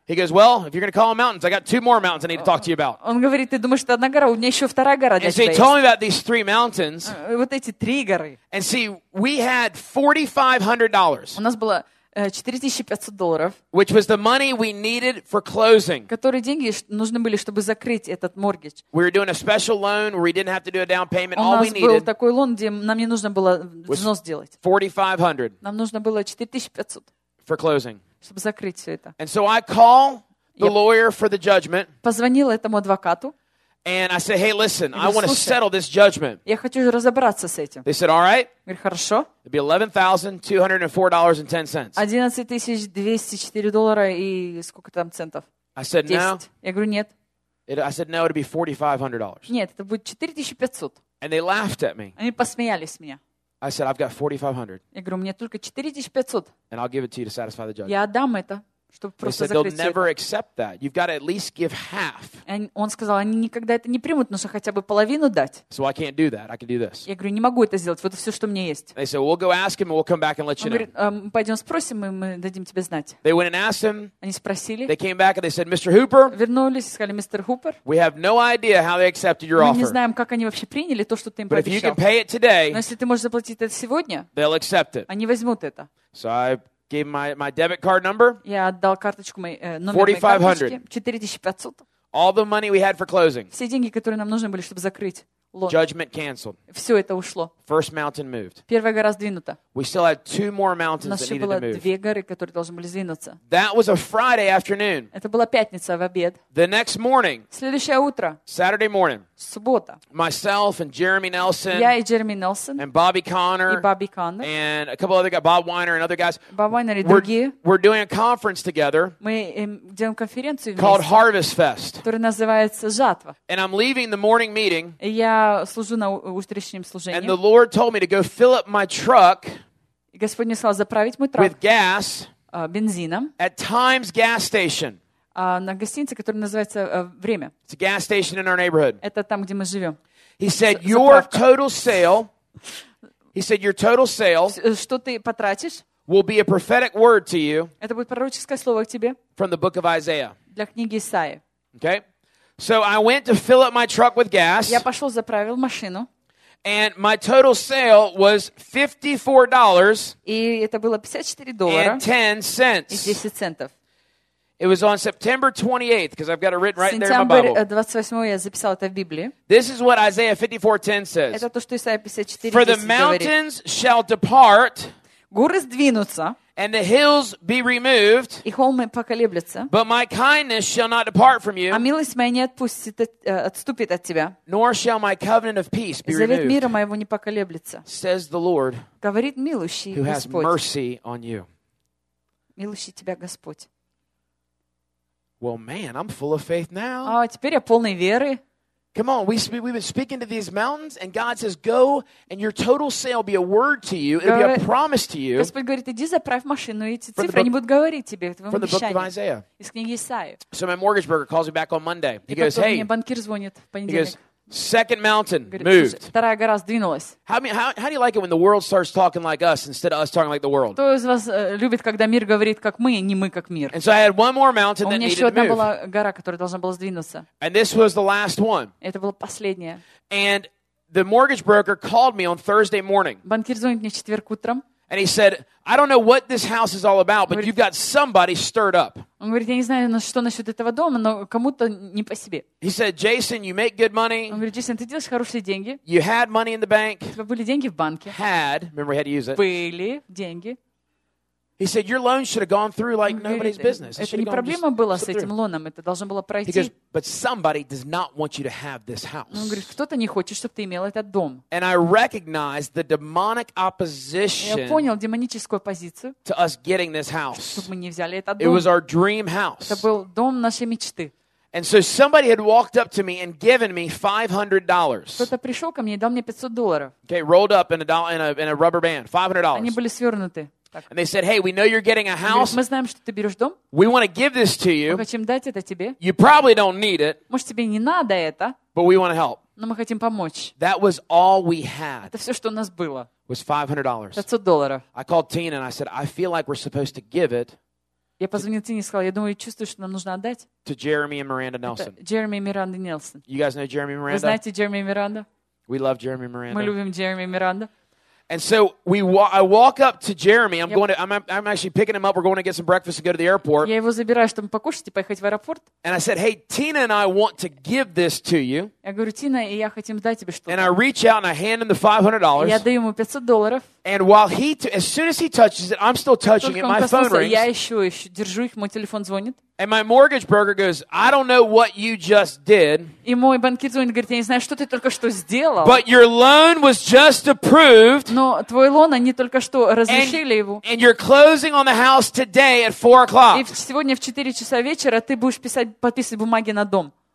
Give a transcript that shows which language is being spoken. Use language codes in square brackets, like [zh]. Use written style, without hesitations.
[en] He goes, well, if you're going to call them mountains, I got two more mountains I need to talk to you about. [ru] Он говорит, ты думаешь, это одна гора, у меня еще вторая гора для тебя есть. [en] And so he told me about these three mountains. [ru] Вот эти три горы. [en] And see, we had $4,500. [ru] У нас было $4,500. [en] Which was the money we needed for closing. [ru] Которые деньги нужны были, чтобы закрыть этот моргидж. [en] We were doing a special loan where we didn't have to do a down payment. All we needed. [ru] У нас был такой лон, где нам не нужно было взнос делать. [en] $4,500. [ru] Нам нужно было 4,500. [en] For closing. [ru] Чтобы закрыть все это. [en] And so I call the lawyer for the judgment. [ru] Позвонил этому адвокату. [en] And I said, hey, listen, I want to settle this judgment. [ru] Я хочу разобраться с этим. [en] They said, all right. [ru] Говорю, хорошо. [en] It'd be $11,204.10. [ru] $11,204 и сколько там центов? [en] I said, no. [ru] Я говорю, нет. [en] I said, no, it'd be $4,500. [ru] Нет, это будет 4,500. [en] And they laughed at me. [ru] Они посмеялись меня. [en] I said, I've got $4,500. [ru] Я говорю, мне только 4,500. [en] And I'll give it to you to satisfy the judgment. [ru] Я отдам это. Чтобы [en] they said they'll never accept that. You've got to at least give half. And [ru] он сказал, они никогда это не примут, но хотя бы половину дать. [en] So I can't do that. I can do this. [ru] Я говорю, не могу это сделать. Вот все, что мне есть. [en] They said, we'll go ask him and we'll come back and let you [ru] говорит, [en] know. [ru] Пойдем спросим и мы дадим тебе знать. [en] They went and asked him. [ru] Они спросили. [en] They came back and they said, Mr. Hooper. [ru] Вернулись и сказали, мистер Хупер. [en] We have no idea how they accepted your offer. [ru] Мы не знаем, как они вообще приняли то, что ты им пообещал. [en] But if you can pay it today. [ru] Но если ты можешь заплатить это сегодня. [en] They'll accept it. [ru] Они возьмут это. [en] So I gave him my debit card number. [ru] Я отдал карточку моей номер карточки. [en] 4,500. All the money we had for closing. [ru] Все деньги, которые нам нужны были, чтобы закрыть лон. [en] Judgment canceled. [ru] Все это ушло. [en] First mountain moved. [ru] Первая гора сдвинута. [en] We still had two more mountains that needed to move. [ru] У нас еще было две горы, которые должны были сдвинуться. [en] That was a Friday afternoon. [ru] Это была пятница в обед. [en] The next morning. [ru] Следующее утро. [en] Saturday morning. [ru] Суббота. [en] Myself and Jeremy Nelson. [ru] Я и Джереми Нелсон. [en] And Bobby Connor. [ru] И Бобби Коннор. [en] And a couple other guys, Bob Weiner and other guys. [ru] Bob Weiner и другие. [en] We're doing a conference together. [ru] Мы делаем конференцию вместе. [en] Called Harvest Fest. [ru] Которая называется Жатва. [en] And I'm leaving the morning meeting. [ru] Я служу на утреннем служении. [en] And the Lord told me to go fill up my truck. [ru] Господь мне сказал заправить мой трак [en] with gas, [ru] бензином [en] at Times gas station. [ru] На гостинице, которая называется «Время». [en] It's a gas station in our neighborhood. [ru] Это там, где мы живем. [en] He said, your total sale, he said, your total sale [ru] что ты потратишь [en] will be a prophetic word to you. [ru] Это будет пророческое слово к тебе [en] from the book of Isaiah. [ru] Для книги Исаии. [en] Okay? So I went to fill up my truck with gas. [ru] Я пошел, заправил машину. [en] And my total sale was $54. [ru] И это было $54. [en] And 10 cents. [ru] И 10 центов. [en] It was on September 28th, because I've got it written right there in my Bible. [ru] Сентябрь 28-го я записал это в Библии. [en] This is what Isaiah 54:10 says. [ru] Это то, что Исаия 54:10 говорит. [en] For the mountains shall depart. [ru] Горы сдвинутся. [en] And the hills be removed. [ru] И холмы поколеблются. [en] But my kindness shall not depart from you. [ru] А милость моя не отпустит, отступит от тебя. [en] Nor shall my covenant of peace be [ru] завет Завет мира моего не поколеблется. [en] Says the Lord. [ru] Говорит милующий [en] who [ru] Господь. [en] Who has mercy on you. [ru] Милующий тебя Господь. [en] Well, man, I'm full of faith now. [ru] А теперь я полный веры. [en] Come on, we've been speaking to these mountains, and God says, "Go, and your total sale be a word to you; it'll be a promise to you." [ru] Господь говорит, иди заправь машину, и эти цифры не будут говорить тебе. [en] From the book of Isaiah. [ru] Из книги Исаии. [en] So my mortgage broker calls me back on Monday. He goes, "Hey." [ru] Мне банкир звонит в понедельник. [en] He goes, second mountain moved. [ru] Вторая гора сдвинулась. [en] How do you like it when the world starts talking like us instead of us talking like the world? [ru] Кто из вас любит, когда мир говорит как мы, не мы как мир? [en] And so I had one more mountain that needed to move. [ru] У меня еще одна была гора, которая должна была сдвинуться. [en] And this was the last one. [ru] Это была последняя. [en] And the mortgage broker called me on Thursday morning. [ru] Банкир звонит мне в четверг утром. [en] And he said, I don't know what this house is all about, but you've got somebody stirred up. [ru] Он говорит, я не знаю, что насчет этого дома, но кому-то не по себе. [en] He said, Jason, you make good money. [ru] Он говорит, Джейсон, ты делаешь хорошие деньги. [en] You had money in the bank. [ru] У тебя были деньги в банке. [en] Had. Remember, we had to use it. [ru] Были деньги. [en] He said, "Your loan should have gone through like nobody's business." [ru] Это не проблема была с этим лоном, это должно было пройти. [en] He goes, "But somebody does not want you to have this house." [ru] Он говорит, кто-то не хочет, чтобы ты имел этот дом. [en] And I recognized the demonic opposition. [ru] Я понял демоническую позицию. [en] To us getting this house. [ru] Чтобы мы не взяли этот дом. [en] It was our dream house. [ru] Это был дом нашей мечты. [en] And so somebody had walked up to me and given me $500. [ru] Кто-то пришел ко мне и дал мне $500. [en] Okay, rolled up in a rubber band, $500. [ru] Они были свернуты. [en] And they said, "Hey, we know you're getting a house. [ru] Мы знаем, что ты берешь дом. [en] We want to give this to you. [ru] Мы хотим дать это тебе. [en] You probably don't need it. [ru] Может, тебе не надо это. [en] But we want to help. [ru] Но мы хотим помочь. [en] That was all we had. [ru] Это все, что у нас было. [en] Was $500. [ru] $500. [en] I called Tina and I said, "I feel like we're supposed to give it." [ru] Я позвонил Тине и сказал, я думаю, я чувствую, что нам нужно отдать. [en] To Jeremy and Miranda Nelson. Jeremy and Miranda Nelson. You guys know Jeremy and Miranda? [ru] Вы знаете Jeremy and Miranda? [en] We love Jeremy and Miranda. [ru] Мы любим Jeremy and Miranda. [en] And so I walk up to Jeremy. I'm actually picking him up. We're going to get some breakfast and go to the airport. [ru] Я его забираю, чтобы покушать и поехать в аэропорт. [en] And I said, "Hey, Tina and I want to give this to you." [ru] Я говорю, Тина и я хотим дать тебе что-то. [en] And I reach out and I hand him the $500. [ru] Я даю ему $500. [en] And while he, as soon as he touches it, I'm still touching it. My phone rings. [ru] Я еще держу их, мой телефон звонит. [en] And my mortgage broker goes, "I don't know what you just did." [ru] И мой банкир звонит, говорит, я не знаю, что ты только что сделал. [en] But your loan was just approved. [ru] Но твой лон они только что разрешили его. [en] And you're closing on the house today at 4:00. [ru] И сегодня в 4:00 вечера ты будешь подписывать бумаги на дом.